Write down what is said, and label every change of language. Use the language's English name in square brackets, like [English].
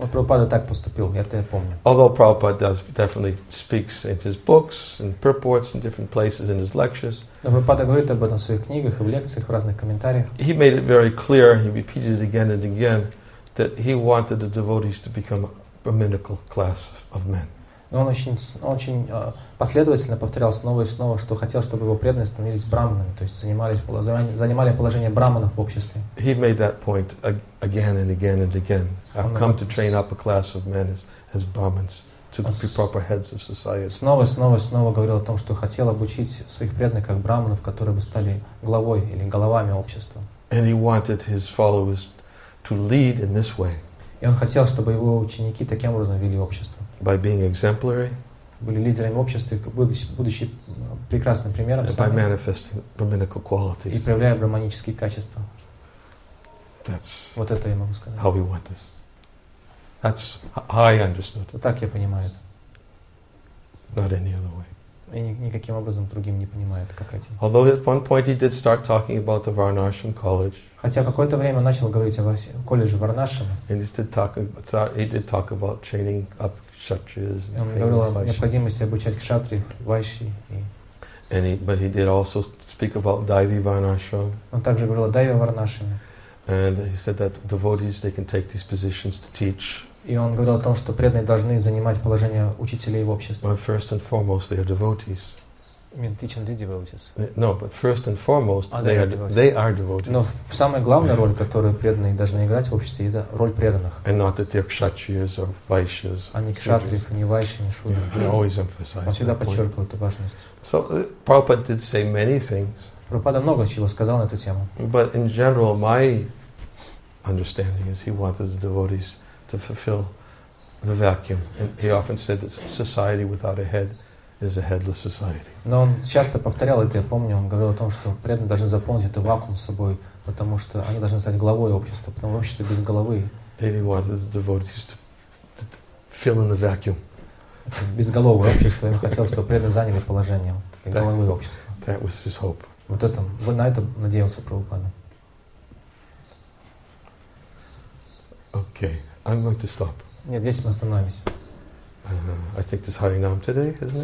[Russian] Вот Прабхупада так поступил, я это помню. [English] Although Prabhupada does definitely speaks in his books and purports in different places in his lectures. [Russian] Но Прабхупада говорит об этом в своих книгах и в лекциях, в разных комментариях. [English] He made it very clear, he repeated it again and again, that he wanted the devotees to become a brahminical class of men. [Russian] Но он очень последовательно повторял снова и снова, что хотел, чтобы его преданные становились брахманами, то есть занимали положение брахманов в обществе. [English] He made that point again and again and again. I've come to train up a class of men as brahmins. to be proper heads of society. [Russian] Снова, снова, снова говорил о том, что хотел обучить своих преданных как браманов, которые бы стали главой или головами общества. [English] And he wanted his followers to lead in this way. [Russian] И он хотел, чтобы его ученики таким образом вели общество. [English] By being exemplary. [Russian] Были лидерами общества, будучи прекрасным примером. [English] And by manifesting brahminical qualities. [Russian] И проявляя браманические качества. [English] That's. [Russian] Вот это я могу сказать. [English] How we want this. That's how I understood. [Russian] Так я понимаю это. [English] Not any other way. [Russian] И никаким образом другим не понимаю это, как эти. [English] Although at one point he did start talking about the Varnashram College. [Russian] Хотя какое-то время начал говорить о колледже Варнашрама. [English] And he did talk about training up kshatriyas. [Russian] И он говорил о необходимости обучать кшатриев, вайши. [English] But he did also speak about Daivi Varnashram. [Russian] Он также говорил о Дайви Варнашраме. [English] And he said that devotees, they can take these positions to teach. [Russian] И он говорил о том, что преданные должны занимать положение учителей в обществе. [English] But first and foremost, they are devotees. I mean, teaching the devotees. No, but first and foremost, they are devotees. [Russian] Но самая главная роль, которую преданные должны играть в обществе, это роль преданных. [English] And not that they're kshatriyas or vaishyas. [Russian] Они кшатриев, не вайши, не шудры. [English] Yeah, he always emphasized that. [Russian] Он всегда подчеркивал эту важность. [English] So, Prabhupada did say many things. [Russian] Прабхупада много чего сказал на эту тему. [English] But in general, my understanding is he wanted the devotees to fulfill the vacuum. And he often said that society without a head is a headless society. [Russian] Но он часто повторял это, я помню, он говорил о том, что преданные должны заполнить этот вакуум с собой, потому что они должны стать главой общества, потому что общество без головы. [English] And he wanted the devotees to fill in the vacuum. [Russian] Безголовое общество, ему хотелось, чтобы преданные заняли положение головы общества. [English] That was his hope. [Russian] Вот это, вот на это надеялся Прабхупада. [English] Okay, I'm going to stop. [Russian] Нет, здесь мы остановимся. [English] I think this Харинам today, isn't it?